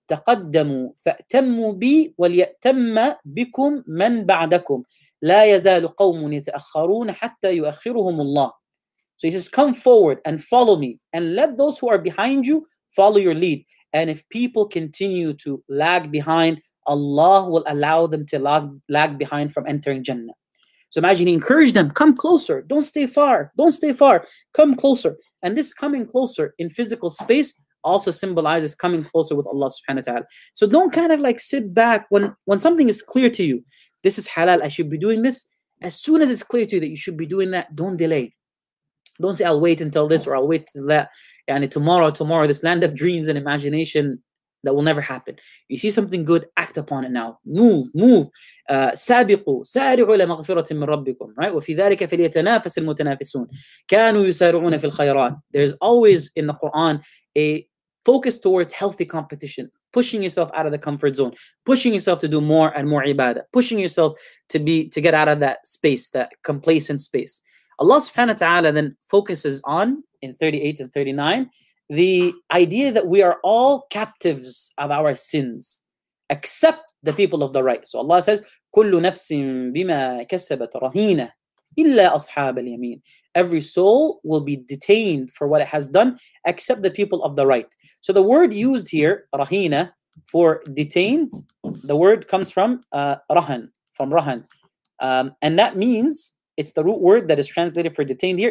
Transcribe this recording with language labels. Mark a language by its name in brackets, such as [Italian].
[Arabic] تقدموا فأتموا بي وليأتم بكم من بعدكم لا يزال قوم يتأخرون حتى يؤخرهم الله. [English] So he says, come forward and follow me, and let those who are behind you follow your lead. And if people continue to lag behind, Allah will allow them to lag behind from entering Jannah. So imagine he encouraged them, come closer, don't stay far, come closer. And this coming closer in physical space also symbolizes coming closer with Allah subhanahu wa ta'ala. So don't kind of like sit back when something is clear to you. This is halal, I should be doing this. As soon as it's clear to you that you should be doing that, don't delay. Don't say, I'll wait until this or I'll wait till that. And tomorrow, this land of dreams and imagination that will never happen. You see something good, act upon it now. Move. [Arabic] سابقوا سارعوا إلى مغفرة من ربكم. [English] Right? [Arabic] وفي ذلك فليتنافس المتنافسون. كانوا يسارعون في الخيرات. [English] There's always in the Quran a focus towards healthy competition. Pushing yourself out of the comfort zone. Pushing yourself to do more and more ibadah. Pushing yourself to get out of that space, that complacent space. Allah subhanahu wa ta'ala then focuses on, in 38 and 39, the idea that we are all captives of our sins, except the people of the right. So Allah says, [Arabic] كل نفس بما كسبت رهينة إلا أصحاب اليمين. [English] Every soul will be detained for what it has done, except the people of the right. So the word used here, رهينة, for detained, the word comes from rahan. And that means, it's the root word that is translated for detained here.